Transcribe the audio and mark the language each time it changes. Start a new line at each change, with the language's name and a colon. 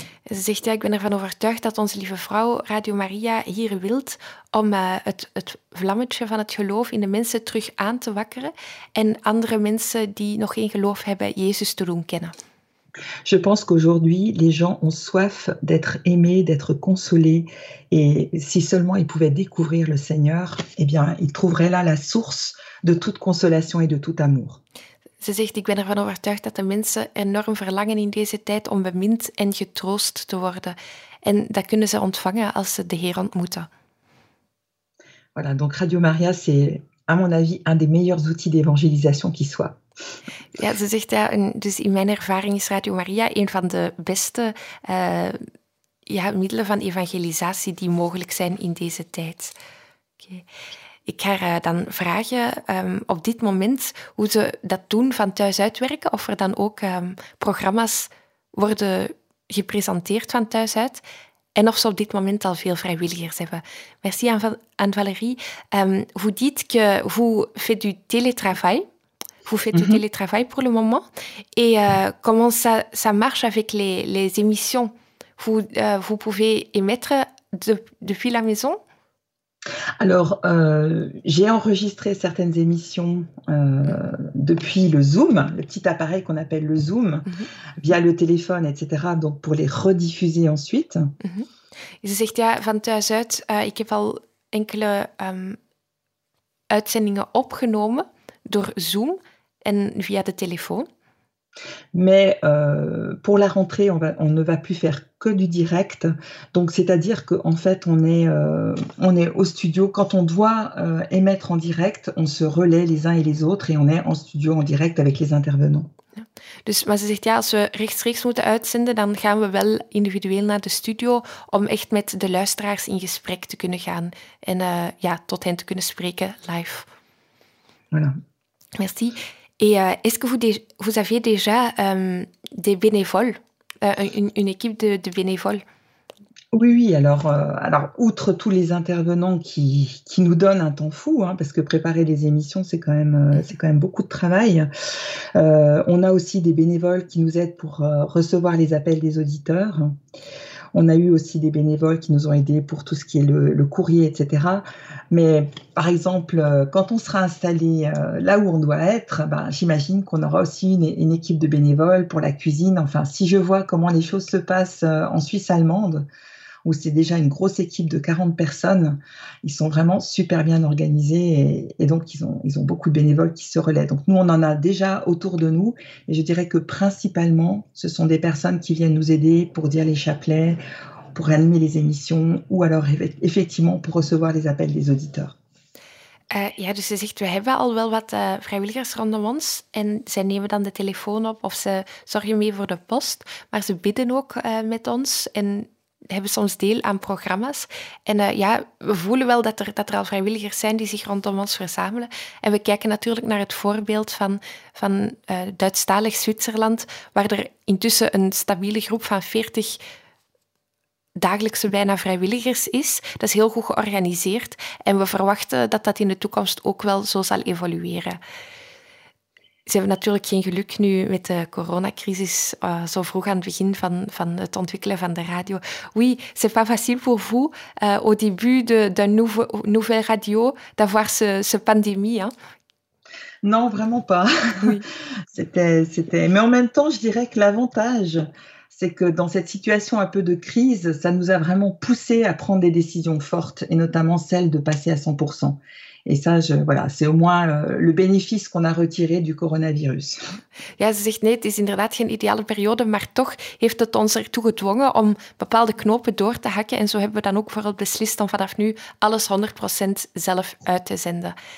Dutch: Ze zegt ja, ik ben ervan overtuigd dat onze lieve vrouw Radio Maria hier wilt om het vlammetje van het geloof in de mensen terug aan te wakkeren en andere mensen die nog geen geloof hebben, Jezus te doen kennen.
French: Je pense qu'aujourd'hui, les gens ont soif d'être aimés, d'être consolés. Et si seulement ils pouvaient découvrir le Seigneur, eh bien, ils trouveraient là la source de toute consolation et de tout amour.
Dutch: Ze zegt, ik ben ervan overtuigd dat de mensen enorm verlangen in deze tijd om bemind en getroost te worden. En dat kunnen ze ontvangen als ze de Heer ontmoeten.
French: Voilà, donc Radio Maria, c'est à mon avis un des meilleurs outils d'évangélisation qui soit.
Dutch: Ja, ze zegt, ja, dus in mijn ervaring is Radio Maria een van de beste middelen van evangelisatie die mogelijk zijn in deze tijd. Oké. Ik ga dan vragen op dit moment hoe ze dat doen van thuis uitwerken, of er dan ook programma's worden gepresenteerd van thuis uit en of ze op dit moment al veel vrijwilligers hebben.
French: Merci aan Valérie. Vous dites que vous faites du télétravail. Vous faites du télétravail pour le moment. Et comment ça marche avec les émissions? Vous pouvez émettre depuis la maison? Alors, j'ai enregistré certaines émissions depuis le Zoom, le petit appareil qu'on appelle le Zoom, via le téléphone, etc., donc pour les rediffuser ensuite.
Dutch: Ze zegt ja, van thuis uit, ik heb al enkele uitzendingen opgenomen door Zoom en via de telefoon.
French: Mais pour la rentrée, on ne va plus faire que du direct. Donc, c'est-à-dire qu'en fait, on est au studio. Quand on doit émettre en direct, on se relaie les uns et les autres et on est en studio en direct avec les intervenants.
Dutch: Dus, maar ze zegt ja, als we rechtstreeks moeten uitzenden, dan gaan we wel individueel naar de studio om echt met de luisteraars in gesprek te kunnen gaan en tot hen te kunnen spreken live.
French: Voilà. Merci. Et est-ce que vous avez déjà des bénévoles, une équipe de bénévoles? Oui, alors outre tous les intervenants qui nous donnent un temps fou, hein, parce que préparer les émissions, c'est quand même beaucoup de travail, on a aussi des bénévoles qui nous aident pour recevoir les appels des auditeurs. On a eu aussi des bénévoles qui nous ont aidés pour tout ce qui est le courrier, etc. Mais par exemple, quand on sera installé là où on doit être, ben, j'imagine qu'on aura aussi une équipe de bénévoles pour la cuisine. Enfin, si je vois comment les choses se passent en Suisse allemande, où c'est déjà une grosse équipe de 40 personnes, ils sont vraiment super bien organisés et donc ils ont beaucoup de bénévoles qui se relaient. Donc nous, on en a déjà autour de nous et je dirais que principalement, ce sont des personnes qui viennent nous aider pour dire les chapelets, pour animer les émissions ou alors effectivement pour recevoir les appels des auditeurs.
Dutch: Dus ze zegt, we hebben al wel wat vrijwilligers rondom ons. En zij nemen dan de telefoon op of ze zorgen mee voor de post. Maar ze bidden ook met ons en hebben soms deel aan programma's. En we voelen wel dat er al vrijwilligers zijn die zich rondom ons verzamelen. En we kijken natuurlijk naar het voorbeeld van Duitsstalig Zwitserland, waar er intussen een stabiele groep van 40 dagelijkse bijna vrijwilligers is. Dat is heel goed georganiseerd. En we verwachten dat in de toekomst ook wel zo zal evolueren. Ze hebben natuurlijk geen geluk nu met de coronacrisis, zo vroeg aan het begin van het ontwikkelen van de radio.
French: Oui, c'est pas facile pour vous, au début de nouvelle radio, d'avoir ce pandémie. Hein? Non, vraiment pas. Oui. C'était... Mais en même temps, je dirais que l'avantage, c'est que dans cette situation un peu de crise, ça nous a vraiment poussé à prendre des décisions fortes, et notamment celle de passer à 100%. Et ça, c'est au moins le bénéfice qu'on a retiré du coronavirus.
Dutch: Ja, ze zegt nee, het is inderdaad geen ideale periode, maar toch heeft het ons ertoe gedwongen om bepaalde knopen door te hakken. En zo hebben we dan ook vooral beslist om vanaf nu alles 100% zelf uit te zenden.